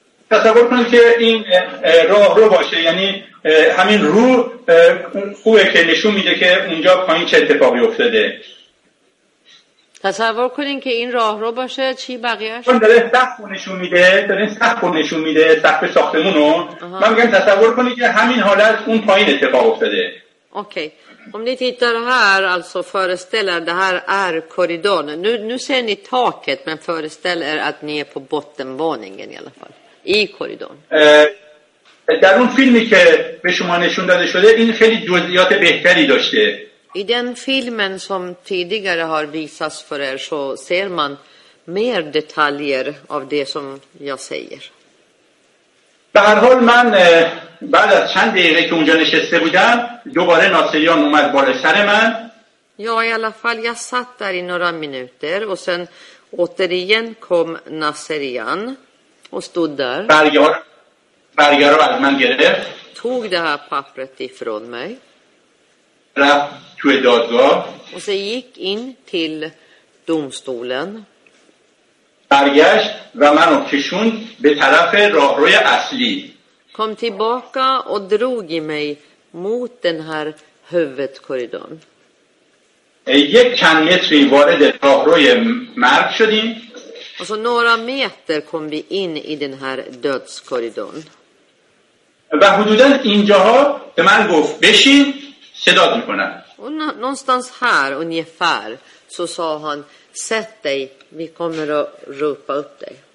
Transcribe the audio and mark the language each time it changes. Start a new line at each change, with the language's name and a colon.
Persian: تصور کنید که این راه رو باشه، یعنی همین رو خوبه که نشون میده که اونجا پایین چه اتفاقی افتاده. تصور کنین که این راه رو باشه، چی بقیهش؟ اون داره سقف رو نشون میده، داره سقف رو نشون میده، سقف ساختمون رو. من میگم تصور کنین که همین حالت اون پایین اتفاق افتاده. اوکی.
Swedish: Om ni tittar här, alltså föreställer det här är korridoren. Nu ser ni taket, men föreställer att ni är på bottenvåningen i alla fall. I korridoren. Där en film som visade er, i den filmen som tidigare har visats för er så ser man mer detaljer av det som jag säger.
Persian: به هر حال من بعد از چند دقیقه که اونجا نشسته بودم دوباره ناصریان اومد بالا سر من.
Swedish: یا i alla fall jag satt där i några minuter och sen återigen kom Nasserian och stod där.
Persian: برگه رو از من گرفت.
Swedish: Tog det här pappret ifrån mig.
Persian: رفت توی دادگاه.
Swedish: Och sen gick in till domstolen.
Persian: برگشت و منو کشوند به طرف راهروی اصلی.
Swedish: Kom tillbaka och drog mig mot den här huvudkorridoren.
Persian: یک چند متری وارد راهروی مرگ شدیم.
Swedish: Och så några meter kom vi in i den här dödskorridoren.
Persian: و حدودا اینجاها به من گفت بشین صدات میکنن.
Swedish: Och någonstans här ungefär så sa han sätt dig, vi kommer att ropa upp dig.